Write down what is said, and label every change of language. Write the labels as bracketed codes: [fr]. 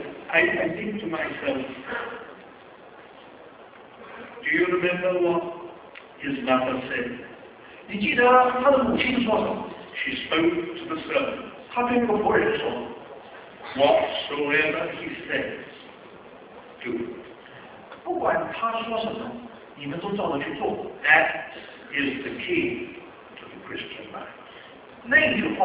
[en] I think to myself, do you remember what his mother said? [zh] 你记得他的母亲说什么? [en] She spoke to the servants. [zh] 他对那个仆人说, [en] whatsoever he says, do. [zh] 不管他说什么, 你们都照着去做. [en] That is the key to the Christian life.